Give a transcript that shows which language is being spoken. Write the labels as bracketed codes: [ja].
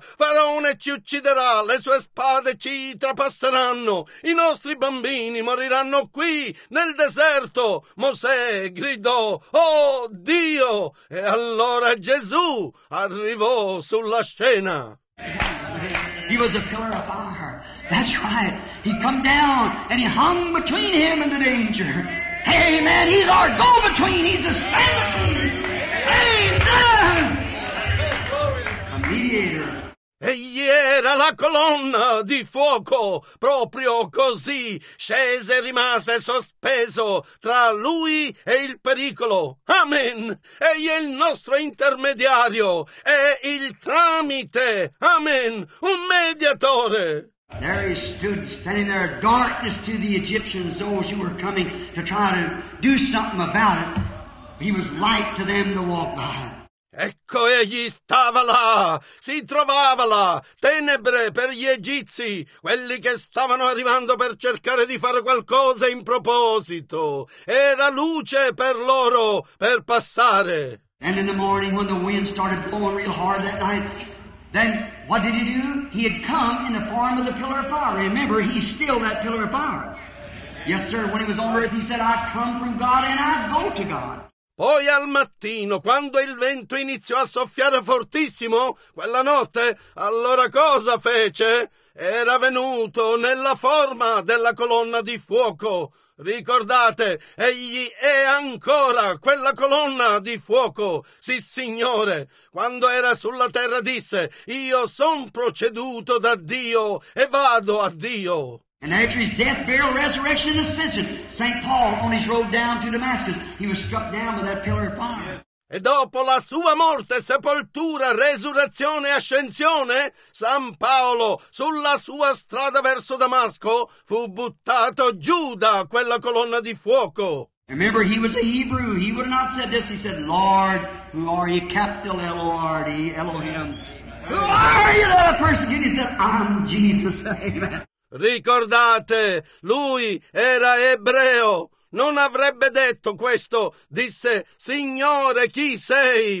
[it] Faraone ci ucciderà, le sue spade ci trapasseranno. I nostri bambini moriranno qui, nel deserto. Mosè gridò, oh, Dio! E allora Gesù arrivò sulla scena. [en] He was a pillar of fire. That's right. He come down and he hung between him and the danger. Amen. He's our go-between. He's a stand-between. Amen. A mediator. [it] Egli era la colonna di fuoco, proprio così scese e rimase sospeso tra lui e il pericolo. Amen. Egli è il nostro intermediario, è il tramite. Amen. Un mediatore. [en] There he stood, standing there, darkness to the Egyptians, those who were coming to try to do something about it. He was light to them to walk by. [it] Ecco, egli stava là, si trovava là, tenebre per gli egizi, quelli che stavano arrivando per cercare di fare qualcosa in proposito. Era luce per loro, per passare. [en] And in the morning when the wind started blowing real hard that night, then what did he do? He had come in the form of the pillar of fire. Remember, he's still that pillar of fire. Yes, sir, when he was on earth, he said, I come from God and I go to God. [it] Poi al mattino, quando il vento iniziò a soffiare fortissimo, quella notte, allora cosa fece? Era venuto nella forma della colonna di fuoco. Ricordate, egli è ancora quella colonna di fuoco. Sì, Signore, quando era sulla terra disse, io son proceduto da Dio e vado a Dio. [en] And after his death, burial, resurrection, and ascension, St. Paul, on his road down to Damascus, he was struck down by that pillar of fire. [it] E dopo la sua morte, sepoltura, resurrezione e ascensione, San Paolo, sulla sua strada verso Damasco, fu buttato giù da quella colonna di fuoco. [en] Remember, he was a Hebrew. He would have not said this. He said, Lord, who are you? Capital L-O-R-D, Elohim. Who are you? The persecuted. He said, I'm Jesus. Amen. [it] Ricordate, lui era ebreo, non avrebbe detto questo, disse, Signore, chi sei?